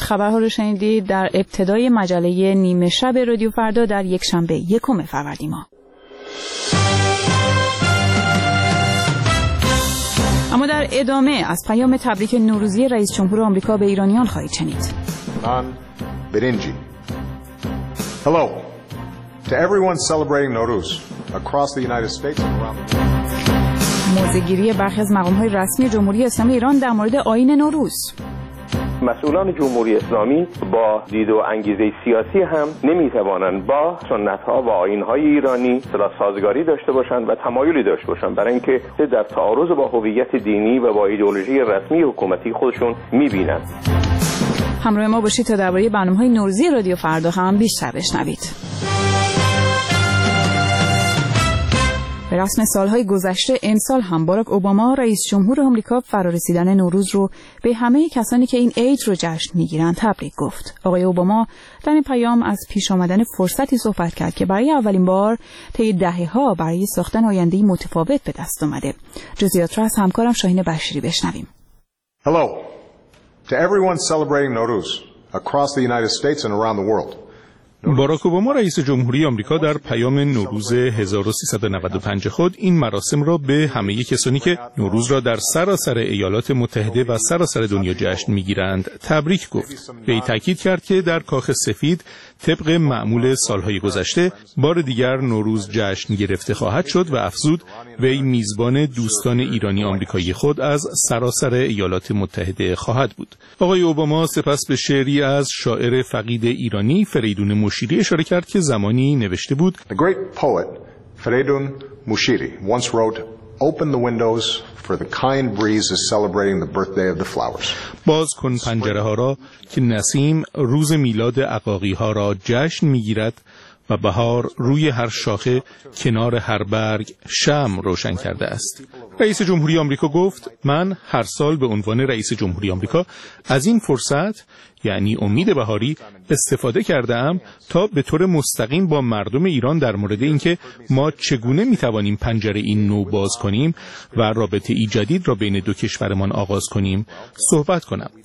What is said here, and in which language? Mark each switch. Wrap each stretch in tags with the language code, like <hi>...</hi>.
<fa>خبرها رو شنیدید در ابتدای مجله نیمه شب رادیو فردا در یک شنبه 1 فروردین ماه. اما در ادامه از پیام تبریک نوروزی رئیس جمهور آمریکا به ایرانیان خواهید شنید. من برنجی.</fa> <en>Hello to everyone celebrating Nowruz across the United States and around the world.</en> <fa>موضع‌گیری برخی از مقام‌های رسمی جمهوری اسلامی ایران در مورد آیین نوروز. مسئولان جمهوری اسلامی با دید و انگیزه سیاسی هم نمیتوانند با سنت‌ها و آیین‌های ایرانی صلح سازگاری داشته باشند و تمایلی داشته باشند، برای اینکه در تعارض با هویت دینی و با ایدئولوژی رسمی حکومتی خودشون می‌بینند. همراه ما باشید تا درباره برنامه‌های نوروزی رادیو فردا هم بیشتر بشنوید. به رسم سالهای گذشته امسال هم باراک اوباما رئیس جمهور آمریکا فرارسیدن نوروز رو به همه کسانی که این عید رو جشن میگیرن تبریک گفت. آقای اوباما در این پیام از پیش آمدن فرصتی صحبت کرد که برای اولین بار طی دهه ها برای ساختن آینده متفاوت به دست اومده. جزئیات را از همکارم شاهین بشری بشنویم.</fa> <en>Hello to everyone celebrating Nowruz across the United States and around the world.</en> <fa>باراک اوباما رئیس جمهوری آمریکا در پیام نوروز 1395 خود این مراسم را به همه کسانی که نوروز را در سراسر ایالات متحده و سراسر دنیا جشن می‌گیرند تبریک گفت. وی تأکید کرد که در کاخ سفید طبق معمول سالهای گذشته بار دیگر نوروز جشن گرفته خواهد شد و افزود وی میزبان دوستان ایرانی آمریکایی خود از سراسر ایالات متحده خواهد بود. آقای اوباما سپس به شعری از شاعر فقید ایرانی فریدون مشیری اشاره کرد که زمانی نوشته بود:</fa> <en>The great poet Fereydoun Mushiri once wrote, "Open the windows, for the kind breeze is celebrating the birthday of the flowers."</en> <fa>باز کن پنجره ها را که نسیم روز میلاد عقاقی ها را جشن میگیرد و بهار روی هر شاخه کنار هر برگ شمع روشن کرده است. رئیس جمهوری آمریکا گفت: من هر سال به عنوان رئیس جمهوری آمریکا از این فرصت، یعنی امید بهاری، استفاده کردم تا به طور مستقیم با مردم ایران در مورد اینکه ما چگونه میتوانیم پنجره این نو باز کنیم و رابطه ای جدید را بین دو کشورمان آغاز کنیم صحبت کنم.</fa>